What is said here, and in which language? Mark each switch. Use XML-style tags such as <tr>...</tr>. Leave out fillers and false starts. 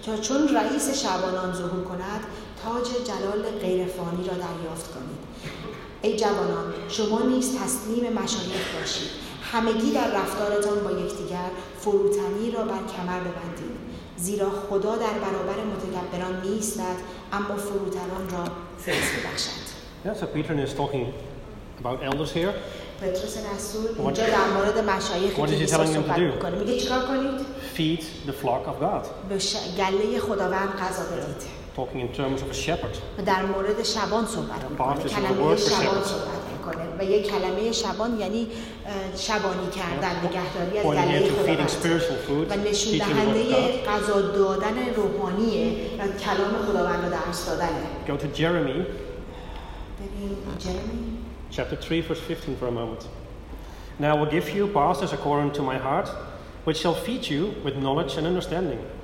<fa>چون رئیس شبانان ظهور کند، تاج جلال غیرفانی را دریافت کنید. ای جوانان، شما نیز تسلیم مشایخ باشید. همگی در رفتارتان با یکدیگر فروتنی را بر کمر ببندید، زیرا خدا در برابر متکبران نیستد، اما فروتنان را فیض می‌بخشد.</fa> <en>Yeah, so Peter is talking about elders here.</en> <fa>پتروس رسول اینجا در مورد مشایخ صحبت می‌کنه. میگه چیکار کنید؟</fa> <en>Feed the flock of God.</en> <fa>گله خداوند غذا بدید.</fa> <en>Talking in terms of a shepherd.</en> <fa>و در مورد شبان صحبت میکنه. کلمه شبان صحبت میکنه. و یک کلمه شبان یعنی شبانی کردن، نگهداری از گله خداوند. و نشون دهنده غذا دادن روحانیه و کلام خداوند رو درس دادنه.</fa> <en>Go to Jeremy.</en> <fa>ببین Jeremy.</fa> <en>Chapter 3, verse 15 for a moment. Now I will give you pastors according to my heart, which shall feed you with knowledge and understanding.</en>